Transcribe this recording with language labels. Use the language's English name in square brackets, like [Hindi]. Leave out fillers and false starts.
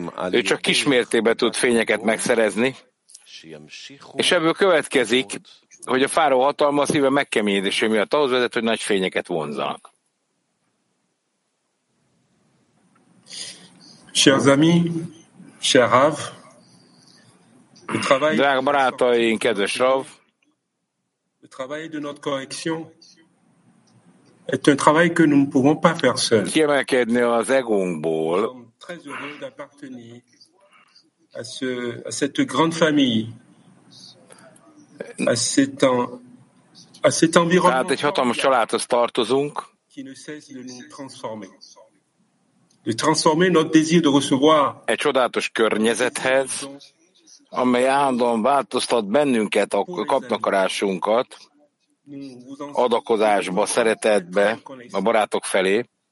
[Hungarian] ő csak kismértékben tud fényeket megszerezni, és ebből következik, hogy a fáraó hatalma a szíve megkeményedése miatt ahhoz vezet, hogy nagy fényeket vonzanak. [French] Chers amis, cher Rav, le travail. [Hungarian] Drága barátaink, kedves Rav. [French] Le travail de notre correction est un travail que nous ne pouvons pas faire seuls. [Hungarian] Kiemelkedni az egónkból. [French] Très heureux d'appartenir à ce à cette grande famille, à cet en, à cet environnement. [Hungarian] Tehát egy hatalmas családhoz tartozunk. [French] Qui ne cesse de nous transformer. De transformer notre désir de recevoir. [Hungarian] Egy csodálatos környezethez, amely állandóan változtat bennünket, a kapnakarásunkat, adakozásba, szeretetbe, a barátok felé.